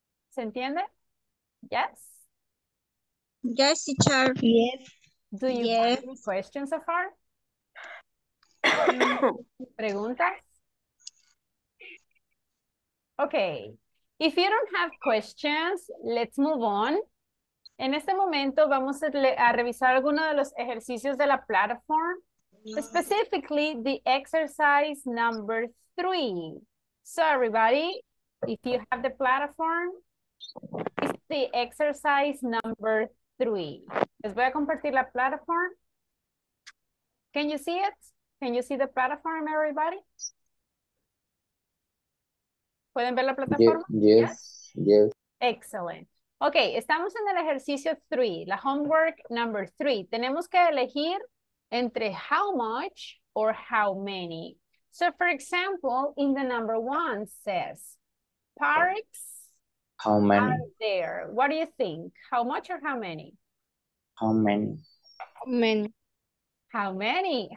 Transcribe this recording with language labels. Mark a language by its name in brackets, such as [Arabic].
[Spanish] ¿Se entiende? Yes? [English] Yes, teacher. Yes. Do you have any questions so far? [Spanish] ¿Preguntas? [English] Okay. If you don't have questions, let's move on. [Spanish] En este momento vamos a revisar algunos de los ejercicios de la plataforma. [English] Specifically, the exercise number 3. So, everybody, if you have the platform, it's the exercise number 3. [Spanish] Les voy a compartir la platform. [English] Can you see it? Can you see the platform, everybody? [Spanish] ¿Pueden ver la plataforma? [English] Yes. Excellent. [Spanish] Ok, estamos en el ejercicio 3, la [English] homework number 3. [Spanish] Tenemos que elegir entre [English] how much or how many. So, for example, in the number 1 says, parks how many? Are there. What do you think? How much or how many? How many? How many? How many?